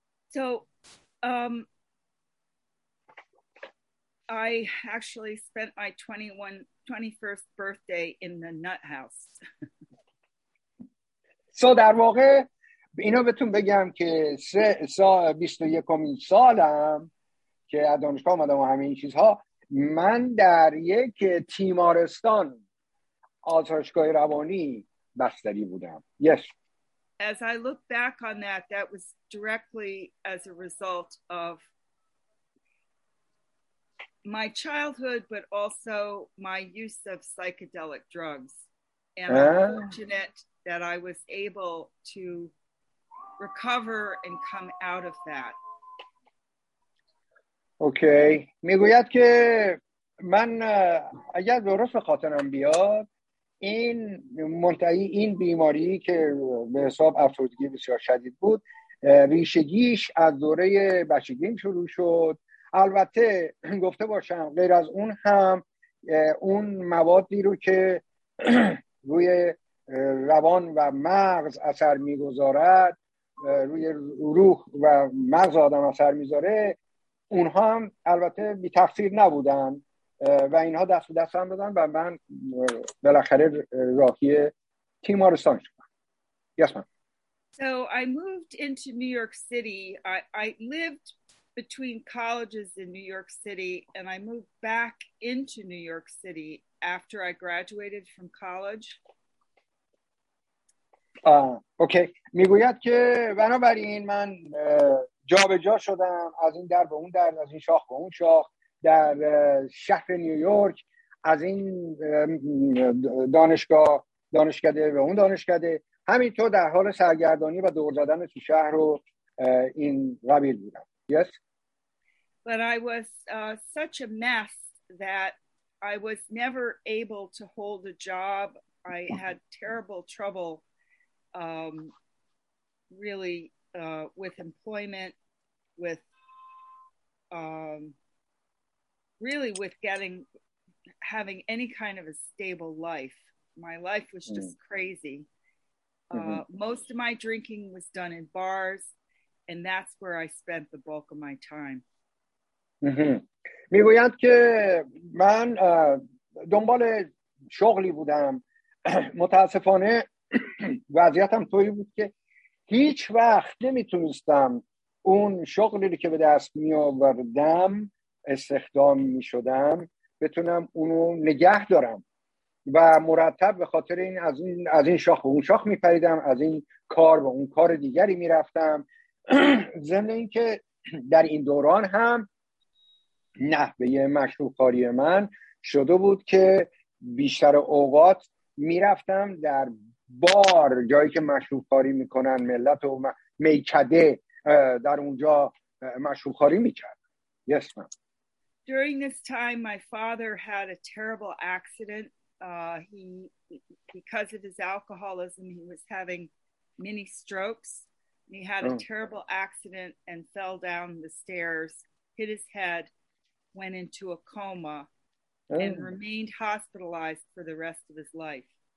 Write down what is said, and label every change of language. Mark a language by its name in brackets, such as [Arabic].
[English] So, I actually spent my 21st birthday in the nut house. [Persian] So در واقع اینو بهتون بگم که 21 سالم که از دانشگاه اومدم و همه این چیزها، من در یک تیمارستان آزمایشگاه روانی بستری بودم. [English] Yes. As I look back on that was directly as a result of my childhood but also my use of psychedelic drugs. And I'm fortunate that I was able to recover and come out of that. Okay. [Persian] میگوید که من اگر درست خاطرم بیاد این منتهی این بیماری که به حساب افسردگی بسیار شدید بود ریشگیش از دوره بچگیم شروع شد. البته گفته باشم غیر از اون هم اون موادی رو که روی روان و مغز اثر میگذارد، روی روح و مغز آدم اثر میذاره، اونها هم البته بی تقصیر نبودن و اینها دست به دست هم دادن و من بالاخره راهی تیمارستان شدم. [English] Yes, ma'am. So I moved into New York City. I lived between colleges in New York City and I moved back into New York City after I graduated from college. Okay. [Persian] میگوید که بنابراین من جابجا شدم از این در به اون در، از این شاخ به اون شاخ در شهر نیویورک، از این دانشگاه دانشکده به اون دانشکده، همینطور در حال سرگردانی و دور زدن تو شهر رو این قبیل بودم. [English] Yes. But I was such a mess that I was never able to hold a job. I had terrible trouble really with employment, with really with getting, having any kind of a stable life. My life was just crazy. Most of my drinking was done in bars, and that's where I spent the bulk of my time. [Persian] میگویند که من دنبال شغلی بودم. متاسفانه وضعیتم طوری بود که هیچ وقت نمیتونستم اون شغلی که به دست میآوردم استخدام میشدم بتونم اونو نگه دارم و مرتب به خاطر این از این شاخ به اون شاخ میپریدم، از این کار به اون کار دیگری میرفتم. ضمن این که در این دوران هم نحوه مشروب خاری من شده بود که بیشتر اوقات میرفتم در بار، جایی که مشروب خاری میکنن، ملت و میکده در اونجا مشروب خاری میکرد. [English] Yes, ma'am. During this time my father had a terrible accident. He, because of his alcoholism, he was having many strokes. He had a terrible accident and fell down the stairs, hit his head, went into a coma, and remained hospitalized for the rest of his life.